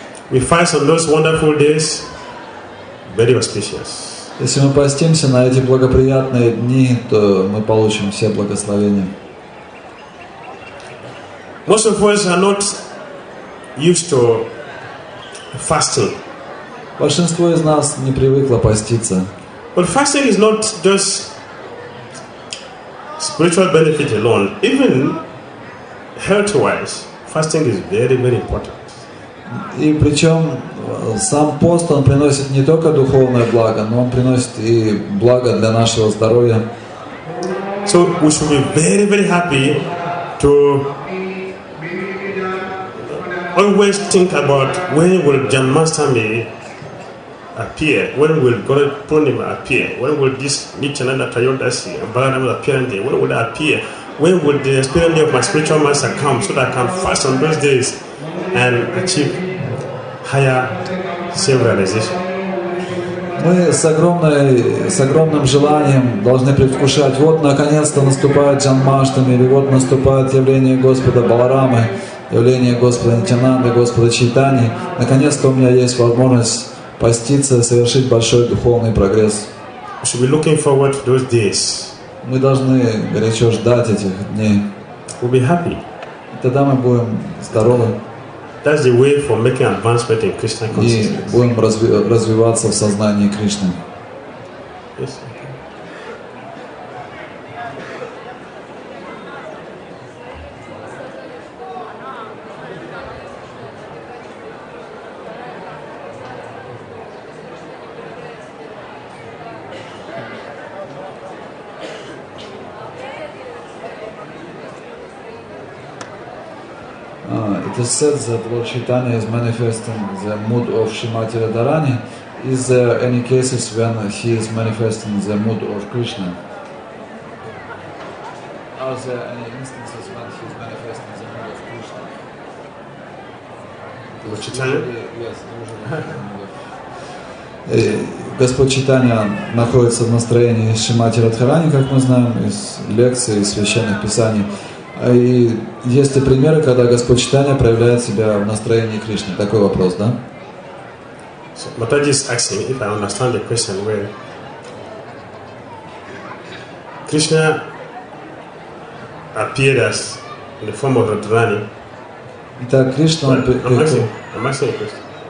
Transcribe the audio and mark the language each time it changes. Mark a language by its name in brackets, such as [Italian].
[English] We fast on those wonderful days, very auspicious. [Russian] Если мы постимся на эти благоприятные дни, то мы получим все благословения. [English] Most of us are not used to fasting. [Russian] Большинство из нас не привыкло поститься. [English] But fasting is not just spiritual benefit alone. Even health-wise, fasting is very, very important. [Russian] И причем сам пост, он приносит не только духовное благо, но он приносит и благо для нашего здоровья. [English] So we should be very, very happy to always think about when will Janmashtami appear, when will Gaura Purnima appear, when will this Nityananda Trayodashi and Balaram appear in there, when will they appear, when will the experience of my spiritual master come so that I can fast on those days and achieve higher self-realization. [Russian] Мы с огромным желанием должны предвкушать, вот наконец-то наступает Джанмаштами, или вот наступает явление Господа Баларамы, явление Господа Нитянанды, Господа Чайтани. Наконец-то у меня есть возможность поститься, совершить большой духовный прогресс. [English] We should be looking forward to those days. [Russian] Мы должны горячо ждать этих дней. [English] We'll be happy. [Russian] Тогда мы будем здоровы. [English] That's the way for making advancement in Krishna consciousness. [Russian] И будем развиваться в сознании Кришны. [English] Yes. It is said that Lord Chaitanya is manifesting the mood of Srimati Radharani. Is there any cases when he is manifesting the mood of Krishna? Are there any instances when he is manifesting the mood of Krishna? Lord Chaitanya? Yes, the mood of [Russian] Господь Чайтанья находится в настроении Шримати Радхарани, как мы знаем, из лекций, из священных писаний. И есть ли примеры, когда Господь Чайтанья проявляет себя в настроении Кришны? Такой вопрос, да? [English] So, Mataji is asking, if I understand the question, where Krishna appeared as in the form of Radharani. [Russian] Итак, Кришна... [English] I'm asking a question.